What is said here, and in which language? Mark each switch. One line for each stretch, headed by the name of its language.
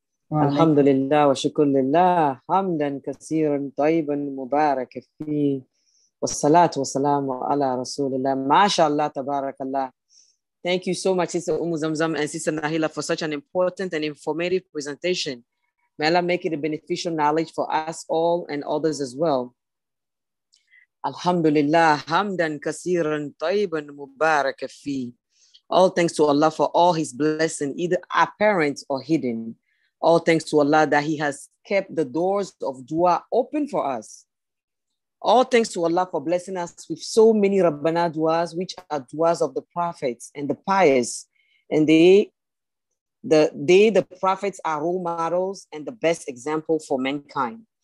Arabic: الحمد لله وشكر لله حمدا كثيرا طيبا مبارك فيه والصلاة والسلام على رسول الله ما شاء الله تبارك الله.
English: Thank you so much, Sister Umm Zamzam and Sister Nahila, for such an important and informative presentation. May Allah make it a beneficial knowledge for us all and others as well.
Arabic: الحمد لله حمدا كثيرا طيبا مبارك فيه.
English: All thanks to Allah for all His blessing, either apparent or hidden. All thanks to Allah that He has kept the doors of dua open for us. All thanks to Allah for blessing us with so many Rabbana duas, which are duas of the prophets and the pious. And the prophets are role models and the best example for mankind.